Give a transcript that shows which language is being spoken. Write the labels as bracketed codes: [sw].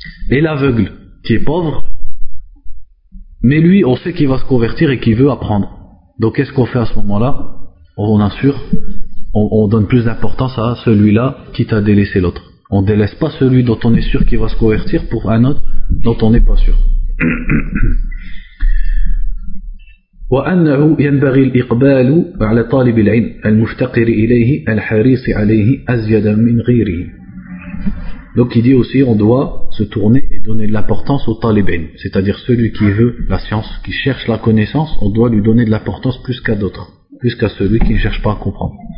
[fr] Et l'aveugle, qui est pauvre, mais lui, on sait qu'il va se convertir et qu'il veut apprendre. Donc qu'est-ce qu'on fait à ce moment-là? On assure, on donne plus d'importance à celui-là, quitte à délaisser l'autre. On ne délaisse pas celui dont on est sûr qu'il va se convertir pour un autre dont on n'est pas sûr. [ar] وأنه ينبغي الإقبال على طالب العلم المفتقر إليه الحريص عليه أزيد من غيره. [fr] Donc il dit aussi on doit se tourner et donner de l'importance au talibain, c'est-à-dire celui qui veut la science, qui cherche la connaissance, on doit lui donner de l'importance plus qu'à d'autres, plus qu'à celui qui ne cherche pas à comprendre.